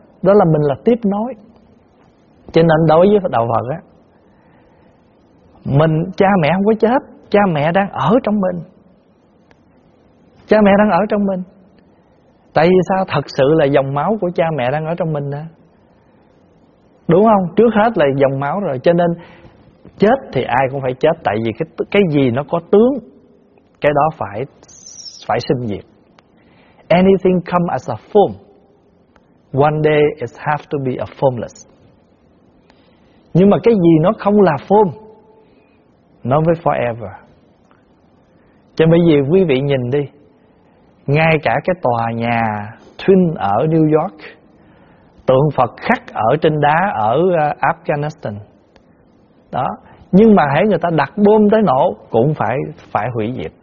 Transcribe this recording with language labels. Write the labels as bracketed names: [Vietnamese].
[Vietnamese] Đó là mình là tiếp nối. Cho nên đối với đạo Phật á, mình, cha mẹ không có chết, cha mẹ đang ở trong mình. cha mẹ đang ở trong mình. Tại vì sao? Thật sự là dòng máu của cha mẹ đang ở trong mình đó, đúng không? Trước hết là dòng máu rồi. Cho nên chết thì ai cũng phải chết. Tại vì cái gì nó có tướng, cái đó phải sinh diệt. [English] Anything come as a form, one day it have to be a formless. [Vietnamese] Nhưng mà cái gì nó không là form, nó mới forever. Cho bởi vì quý vị nhìn đi, ngay cả cái tòa nhà Twin ở New York, tượng Phật khắc ở trên đá ở Afghanistan đó, nhưng mà hãy người ta đặt bom tới nổ cũng phải hủy diệt.